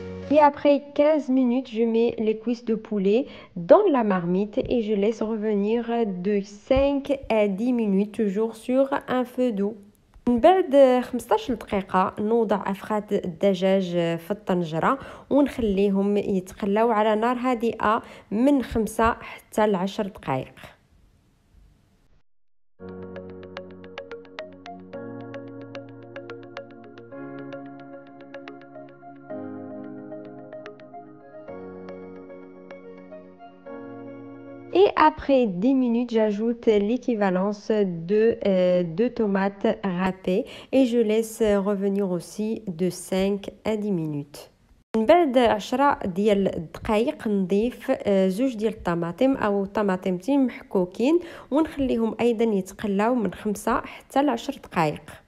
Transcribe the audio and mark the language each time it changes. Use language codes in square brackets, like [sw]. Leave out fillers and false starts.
[fr] Et après 15 minutes, je mets les cuisses de poulet dans la marmite et je laisse revenir de 5 à 10 minutes, toujours sur un feu doux. [ar] من بعد 15 دقيقة نوضع أفخاذ الدجاج في الطنجرة ونخليهم يتقلاو على نار هادئة من 5 حتى 10 دقائق. [fr] Et après 10 minutes, j'ajoute l'équivalence de 2 tomates râpées et je laisse revenir aussi de 5 à 10 minutes. [ar] بعد 10 ديال الدقائق نضيف زوج ديال الطماطم او طماطمتين محكوكين ونخليهم ايضا يتقلاو من 5 حتى 10 دقائق.